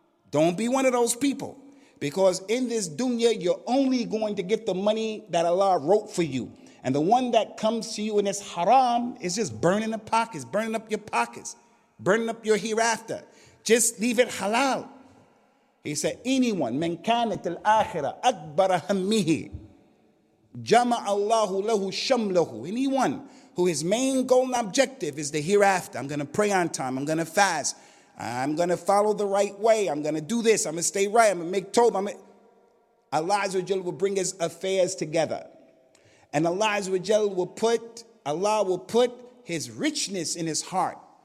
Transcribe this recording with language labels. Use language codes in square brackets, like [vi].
[en] Don't be one of those people. Because in this dunya, you're only going to get the money that Allah wrote for you. And the one that comes to you and it's haram is just burning the pockets, burning up your pockets, burning up your hereafter. Just leave it halal. He said, anyone, [ar] من كانت الآخرة أكبر همه جمع الله له شمله. [en] Anyone who his main goal and objective is the hereafter. I'm going to pray on time. I'm going to fast. I'm going to follow the right way. I'm going to do this. I'm going to stay right. I'm going to make tawbah. Allah Azza wa Jalla will bring his affairs together. And Allah Azza wa Jalla will put, Allah will put his richness in his heart.